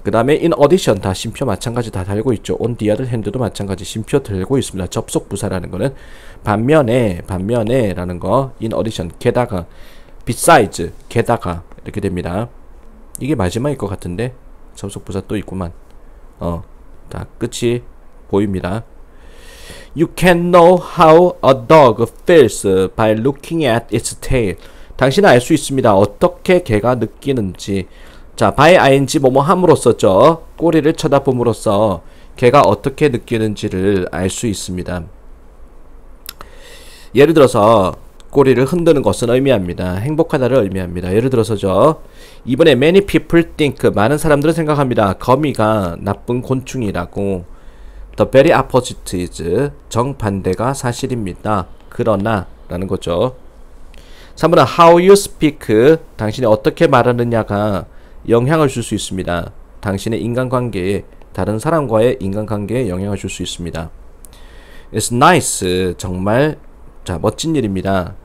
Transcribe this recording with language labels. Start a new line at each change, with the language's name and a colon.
Korean: 그 다음에 in addition 다 쉼표 마찬가지 다 달고 있죠. on the other hand도 마찬가지 쉼표 들고 있습니다. 접속 부사라는 거는 반면에라는 거. in addition 게다가 besides 게다가 이렇게 됩니다. 이게 마지막일 것 같은데 접속 부사 또 있구만. 다 끝이 보입니다.
English: You can know how a dog feels by looking at its tail.
Korean: 당신은 알수 있습니다. 어떻게 개가 느끼는지. 자, by ing 뭐뭐 함으로써죠. 꼬리를 쳐다봄으로써 개가 어떻게 느끼는지를 알수 있습니다. 예를 들어서 꼬리를 흔드는 것은 의미합니다. 행복하다를 의미합니다. 예를 들어서죠. 이번에
English: many people think,
Korean: 많은 사람들은 생각합니다. 거미가 나쁜 곤충이라고.
English: The very opposite is,
Korean: 정반대가 사실입니다. 그러나, 라는 거죠. 3번은
English: how you speak,
Korean: 당신이 어떻게 말하느냐가 영향을 줄수 있습니다. 당신의 인간관계에, 다른 사람과의 인간관계에 영향을 줄수 있습니다.
English: It's nice.
Korean: 정말, 자, 멋진 일입니다.